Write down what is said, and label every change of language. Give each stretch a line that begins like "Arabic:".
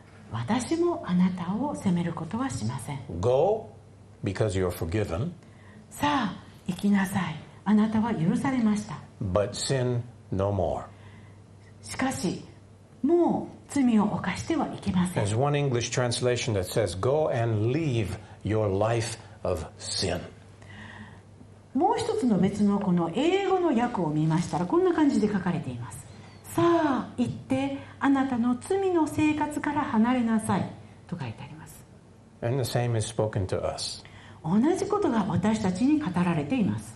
Japanese: 私もあなたを責めることはしません。
English: Go, because you're forgiven.
Japanese: さあ、行きなさい。あなたは許されました。
English: But sin no more.
Japanese: しかし、もう罪を犯してはいけません。
English: There's one English translation that says, go and leave your life of sin.
Japanese: もう一つの別のこの英語の訳を見ましたらこんな感じで書かれています。さあ行ってあなたの罪の生活から離れなさいと書いてあります。
English: And the same is spoken to us.
Japanese: 同じことが私たちに語られています。